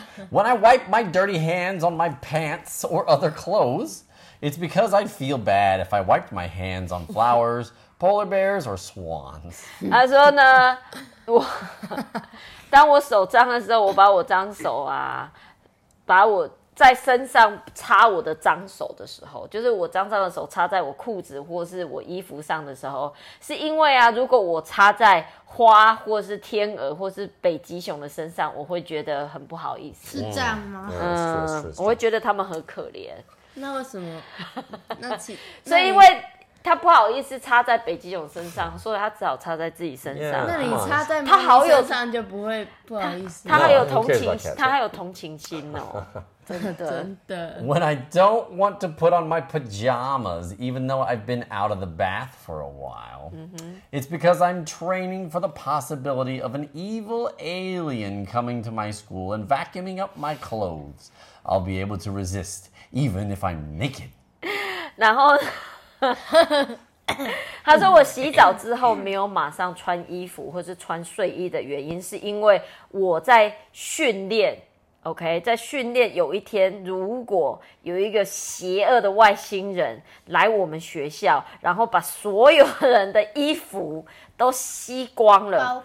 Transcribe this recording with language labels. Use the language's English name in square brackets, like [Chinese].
[English] When I wipe my dirty hands on my pants or other clothes, It's because I'd feel bad if I wiped my hands on flowers, polar bears, or swans. [Chinese] 他说呢，我当我手脏的时候，我把我脏手啊，把我在身上擦我的脏手的时候，就是我脏脏的手擦在我裤子或是我衣服上的时候，是因为啊，如果我擦在花或是天鹅或是北极熊的身上，我会觉得很不好意思。是这样吗？嗯，我会觉得他们很可怜。那为什么？那所以因为他不好意思擦在北极熊身上，所以他只好擦在自己身上。 Yeah, 那你擦在他好友身上就不会不好意思。他还有同情，他还有同情心哦。真的。 [English] When I don't want to put on my pajamas, even though I've been out of the bath for a while,、mm-hmm. it's because I'm training for the possibility of an evil alien coming to my school and vacuuming up my clothes. I'll be able to resist, even if I'm naked. [Chinese] 然后他说我洗澡之后没有马上穿衣服或是穿睡衣的原因是因为我在训练。 OK, 在训练有一天如果有一个邪恶的外星人来我们学校然后把所有人的衣服都吸光了。